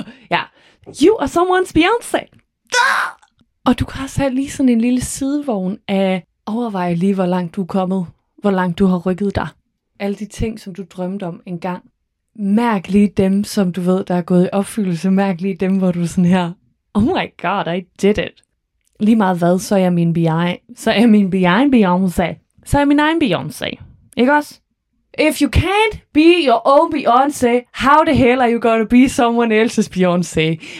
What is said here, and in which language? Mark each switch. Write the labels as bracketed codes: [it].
[en] Ja, you are someone's Beyoncé. [da] Og du kan også have lige sådan en lille sidevogn af overveje lige, hvor langt du er kommet. Hvor langt du har rykket dig. Alle de ting, som du drømte om engang. Mærk lige dem, som du ved, der er gået i opfyldelse. Mærk lige dem, hvor du er sådan her. [en] Oh my god, I did it. [da] Lige meget hvad, så er jeg min B.I. Så er jeg min B.I. Beyoncé. Så er jeg min egen Beyoncé. Ikke også? [en] If you can't be your own Beyoncé, how the hell are you gonna be someone else's Beyoncé?